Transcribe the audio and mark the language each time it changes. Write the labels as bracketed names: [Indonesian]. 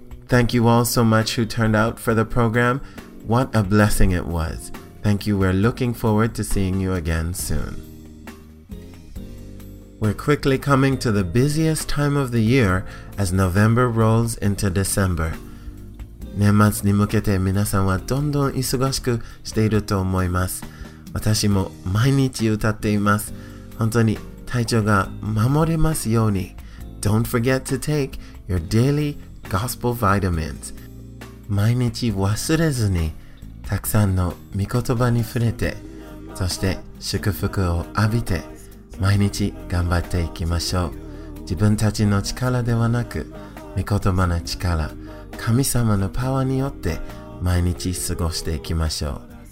[English] Thank you all so much who turned out for the program. What a blessing it was. Thank you. We're looking forward to seeing you again soon. We're quickly coming to the busiest time of the year as November rolls into December. [Japanese] 年末に向けて皆さんはどんどん忙しくしていると思います。私も毎日歌っています。本当に体調が守れますように。 [English] Don't forget to take your daily gospel vitamins. [Japanese] 毎日忘れずにたくさんの御言葉に触れて、そして祝福を浴びて、毎日頑張っていきましょう。自分たちの力ではなく、御言葉の力、神様のパワーによって毎日過ごしていきましょう。